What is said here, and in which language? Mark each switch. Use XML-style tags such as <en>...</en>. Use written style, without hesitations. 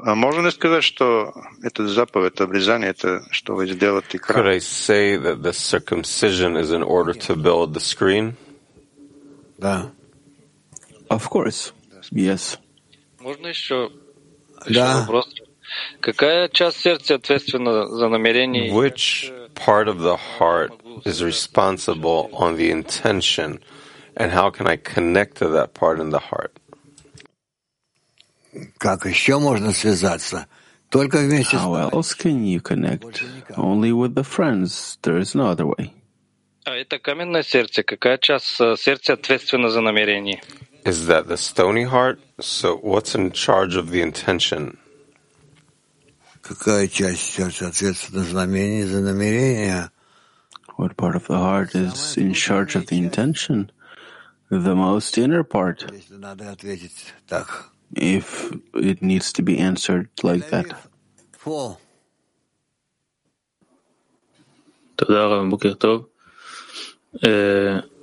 <ru>Можно сказать, что этот заповедь обрезания, это что вы сделаете экран?</ru> <en>Could I say that the circumcision is in order to build the screen?</en> <ru>Да.</ru> <en>Of course. Yes.</en> <ru>Можно еще вопрос? Какая часть сердца ответственна за намерение?</ru> <en>Which part of the heart is responsible on the intention, and how can I connect to that part in the heart?</en> <ru>Как еще можно связаться? Только вместе с</ru> <en>How else can you connect? Only with the friends. There is no other way.</en> <ru>А это каменное сердце. Какая часть сердца ответственна за намерение?</ru> <en>Is that the stony heart? So what's in charge of the intention?</en> <ru>Какая часть сердца ответственна за намерение?</ru> <en>What part of the heart is in charge of the intention? The most inner part.</en> <ru>Если надо ответить так.</ru> <en>If it needs to be answered like that. Four.</en>